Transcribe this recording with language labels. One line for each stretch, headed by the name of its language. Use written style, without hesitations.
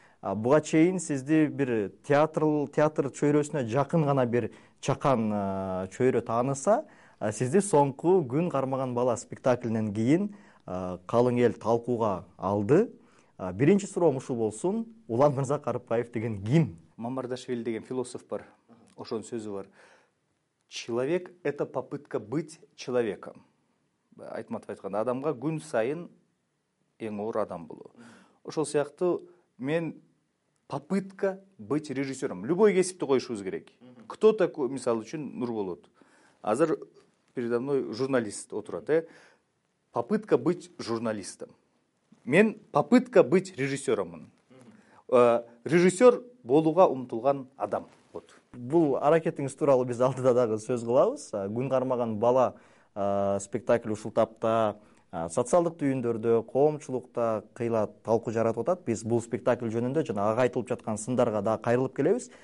Kyrgyz: Буга чейин сизди бир театр чөйрөсүнө жакын гана бир чакан чөйрө тааныса, сизди соңку күн кармаган бала спектаклинен кийин калың эл талкууга алды. Биринчи суроом ушул болсун: Улан Мырза Карыпбаев деген ким? Мамардашвили деген философ бар, ошонун сөзү бар:
Russian: человек — это попытка быть человеком.
Kyrgyz: Айтматов айтканда, адамга күн сайын эң оор адам болуу. Ошол сыяктуу мен
Russian: попытка быть режиссером. Любой
Kyrgyz: кесипти коюшубуз керек.
Russian: Кто такой,
Kyrgyz: мисалы үчүн, Нурболот? Азыр
Russian: передо мной журналист
Kyrgyz: отурат,
Russian: Попытка быть журналистом.
Kyrgyz: Мен
Russian: попытка быть
Kyrgyz: режиссёрмун. Режиссёр болууга умтулган адам.
Russian: Вот.
Kyrgyz: Бул аракетиңиз тууралуу биз алдыда дагы сөз кылабыз. Күн кармаган бала спектакль ушул тапта социалдык түйүндөрдө, коомчулукта кыйла талкуу жаратып атат. Биз бул спектакль жөнүндө жана ага айтылып жаткан сындарга да кайрылып келебиз.